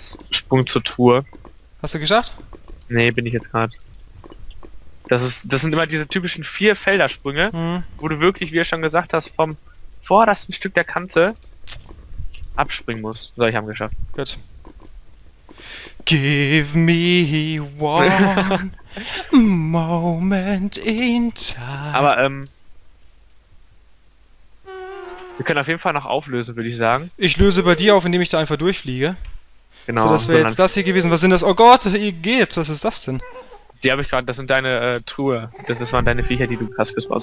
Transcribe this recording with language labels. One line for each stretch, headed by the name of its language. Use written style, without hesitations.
German: Sprung zur Tour. Hast du geschafft? Nee, bin ich jetzt gerade. Das sind immer diese typischen vier Feldersprünge, wo du wirklich, wie du schon gesagt hast, vom vordersten Stück der Kante abspringen musst. So, ich habe geschafft. Gut.
English: Give me one moment in time.
German: Aber, wir können auf jeden Fall noch auflösen, würde ich sagen. Ich löse bei dir auf, indem ich da einfach durchfliege. Genau. So, das wäre jetzt das hier gewesen. Was sind das? Oh Gott, ihr geht. Was ist das denn? Die habe ich gerade. Das sind deine Truhe. Das waren deine Viecher, die du hast gespawnt.